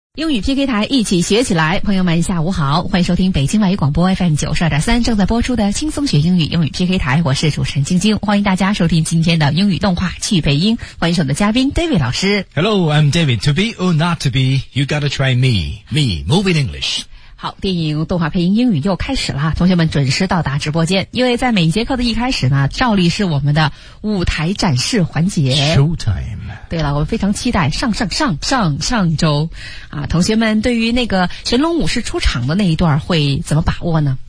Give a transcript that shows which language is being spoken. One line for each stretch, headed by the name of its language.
Chinese: 英语 PK 台一起学起来，朋友们下午好，欢迎收听北京外语广播 FM92.3 正在播出的轻松学英语，英语 PK 台，我是主持人晶晶，欢迎大家收听今天的英语动画去北音，欢迎我们的嘉宾 David 老师。
English: Hello, I'm David. To be or not to be, you gotta try me. Me, moving English.
Chinese: 好，电影动画配音英语又开始了，同学们准时到达直播间，因为在每节课的一开始呢，照例是我们的舞台展示环节
English: Showtime。
Chinese: 对了，我们非常期待上周啊，同学们对于那个神龙武士出场的那一段会怎么把握呢？